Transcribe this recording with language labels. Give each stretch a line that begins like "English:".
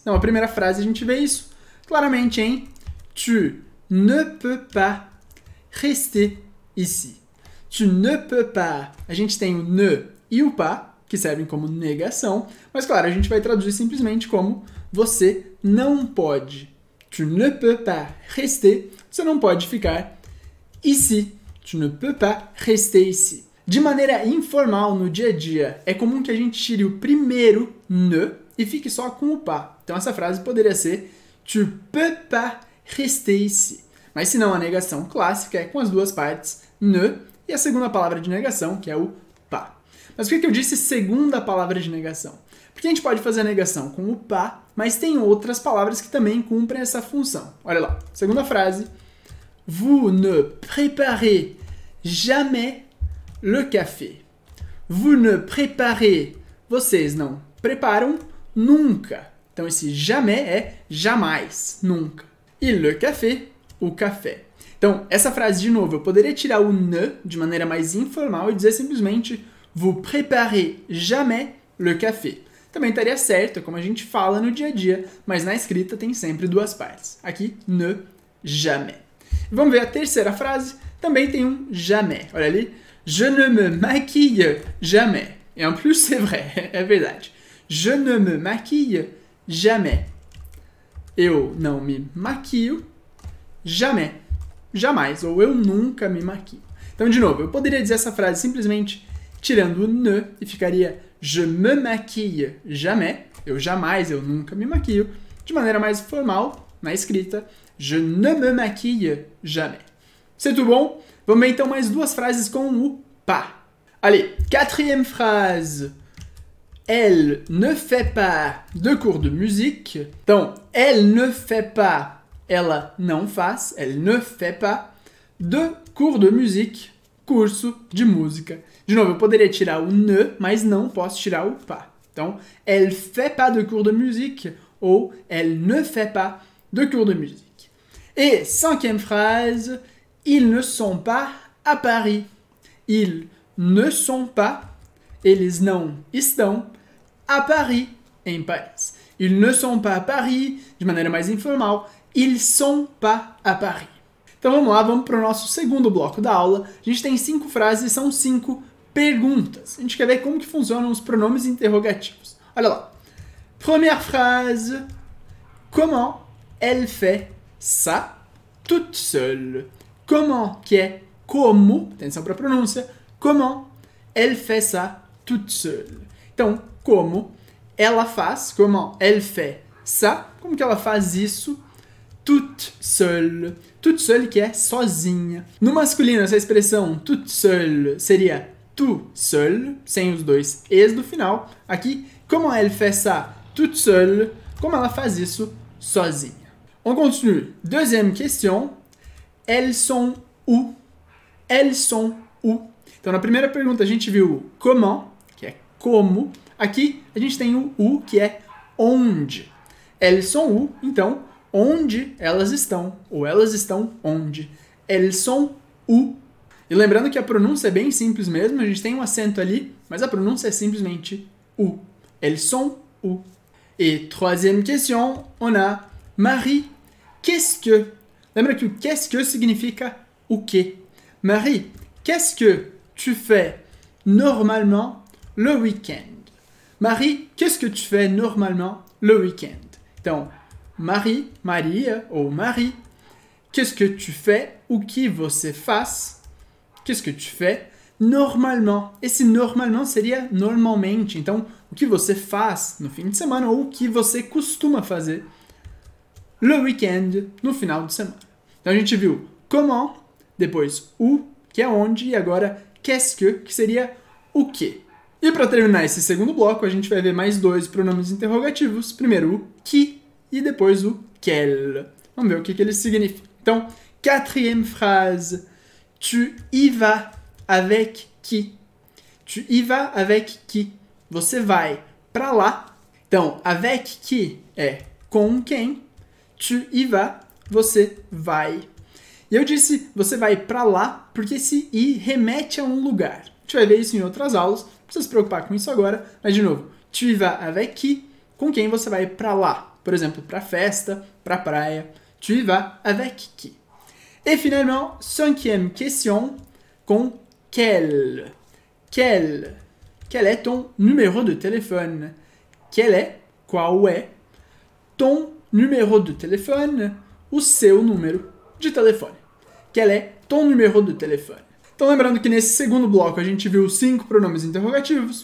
Portuguese: Então, a primeira frase a gente vê isso claramente em
French: tu ne peux pas rester ici. Tu ne peux pas.
Portuguese: A gente tem o ne e o pas, que servem como negação, mas claro, a gente vai traduzir simplesmente como você não pode.
French: Tu ne peux pas rester.
Portuguese: Você não pode ficar
French: ici. Tu ne peux pas rester ici.
Portuguese: De maneira informal, no dia a dia, é comum que a gente tire o primeiro ne e fique só com o pas. Então essa frase poderia ser
French: tu peux pas rester ici.
Portuguese: Mas se não, a negação clássica é com as duas partes ne e a segunda palavra de negação, que é o pas. Mas o que eu disse segunda palavra de negação? Porque a gente pode fazer a negação com o pas, mas tem outras palavras que também cumprem essa função. Olha lá, segunda frase.
French: Vous ne préparez jamais le café. Vous ne préparez,
Portuguese: vocês não preparam nunca. Então esse jamais é jamais, nunca. E le café, o café. Então, essa frase de novo, eu poderia tirar o ne de maneira mais informal e dizer simplesmente
French: vous préparez jamais le café.
Portuguese: Também estaria certo, como a gente fala no dia a dia, mas na escrita tem sempre duas partes. Aqui, ne, jamais. Vamos ver a terceira frase, também tem um jamais. Olha ali,
French: je ne me maquille jamais. Et en plus, c'est vrai,
Portuguese: é verdade.
French: Je ne me maquille jamais.
Portuguese: Eu não me maquio jamais. Jamais, ou eu nunca me maquio. Então, de novo, eu poderia dizer essa frase simplesmente tirando o ne, e ficaria
French: je me maquille jamais,
Portuguese: eu jamais, eu nunca me maquio, de maneira mais formal, na escrita,
French: je ne me maquille jamais. C'est tout bon?
Portuguese: Vamos ver então mais duas frases com o pas.
French: Allez, quatrième phrase. Elle ne fait pas de cours de musique.
Portuguese: Então,
French: elle ne fait pas,
Portuguese: ela não faz,
French: elle ne fait pas de cours de musique,
Portuguese: curso de música. De novo, eu poderia tirar o ne, mas não posso tirar o pas.
French: Então, elle fait pas de cours de musique ou elle ne fait pas de cours de musique. Et cinquième phrase, ils ne sont pas à Paris. Ils ne sont pas,
Portuguese: eles não estão,
French: à Paris,
Portuguese: em Paris.
French: Ils ne sont pas à Paris,
Portuguese: de maneira mais informal,
French: ils sont pas à Paris.
Portuguese: Então vamos lá, vamos para o nosso segundo bloco da aula. A gente tem cinco frases, são cinco perguntas. A gente quer ver como que funcionam os pronomes interrogativos. Olha lá.
French: Première phrase. Comment elle fait ça toute seule?
Portuguese: Comment, que é como, atenção para a pronúncia.
French: Comment elle fait ça toute seule?
Portuguese: Então, como ela faz,
French: comment elle fait ça,
Portuguese: como que ela faz isso
French: toute seule?
Portuguese: Toute seule, que é sozinha. No masculino, essa expressão toute seule seria tout seul, sem os dois es do final.
French: Aqui, comment elle fait ça toute seule?
Portuguese: Como ela faz isso sozinha?
French: On continue. Deuxième question. Elles sont où? Elles sont où?
Portuguese: Então, na primeira pergunta, a gente viu comment, que é como. Aqui, a gente tem o où, que é onde.
French: Elles sont où?
Portuguese: Então, onde elas estão? Ou elas estão onde?
French: Elles sont où?
Portuguese: E lembrando que a pronúncia é bem simples mesmo, a gente tem um acento ali, mas a pronúncia é simplesmente o.
French: Elles sont où? Et troisième question, on a Marie, qu'est-ce que?
Portuguese: Lembra que o qu'est-ce que significa o quê?
French: Marie, qu'est-ce que tu fais normalement le week-end? Marie, qu'est-ce que tu fais normalement le week-end? Então, Marie, Maria ou Marie, qu'est-ce que tu fais
Portuguese: ou que você faz?
French: Qu'est-ce que tu fais
Portuguese: normalement. Esse normalmente seria normalmente. Então, o que você faz no fim de semana ou o que você costuma fazer le weekend, no final de semana. Então, a gente viu comment, depois o, que é onde, e agora qu'est-ce que seria o quê. E para terminar esse segundo bloco, a gente vai ver mais dois pronomes interrogativos. Primeiro o qui e depois o quel. Vamos ver o que eles significam.
French: Então, quatrième phrase. Tu y vas avec qui? Tu y vas avec qui?
Portuguese: Você vai para lá. Então, avec qui é com quem.
French: Tu y vas,
Portuguese: você vai. E eu disse você vai para lá porque esse y remete a um lugar. A gente vai ver isso em outras aulas. Não precisa se preocupar com isso agora. Mas, de novo,
French: tu y vas avec qui?
Portuguese: Com quem você vai para lá? Por exemplo, para festa, para praia.
French: Tu y vas avec qui? E, finalement, cinquième question com quel. Quel. Quel est ton numéro de téléphone? Quel est,
Portuguese: qual é,
French: ton numéro de téléphone?
Portuguese: O seu número de telefone.
French: Quel est ton numéro de téléphone?
Portuguese: Então, lembrando que nesse segundo bloco a gente viu cinco pronomes interrogativos.